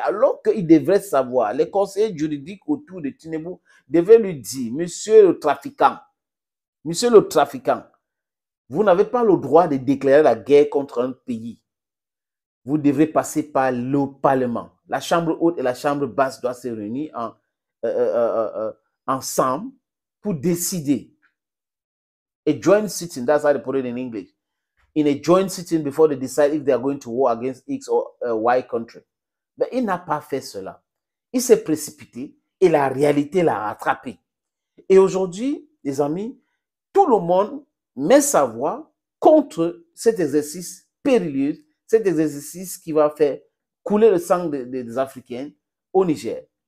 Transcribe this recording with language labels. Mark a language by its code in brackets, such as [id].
[fr] Alors qu'il devrait savoir, les conseillers juridiques autour de Tinubu devaient lui dire, monsieur le trafiquant, monsieur le trafiquant, vous n'avez pas le droit de déclarer la guerre contre un pays. Vous devez passer par le Parlement. La Chambre haute et la Chambre basse doivent se réunir ensemble pour décider. [en] A joint sitting, that's how they put it in English. In a joint sitting before they decide if they are going to war against X or Y country. [fr] Mais il n'a pas fait cela. Il s'est précipité et la réalité l'a rattrapé. Et aujourd'hui, les amis, tout le monde met sa voix contre cet exercice périlleux, cet exercice qui va faire couler le sang des Africains au Niger.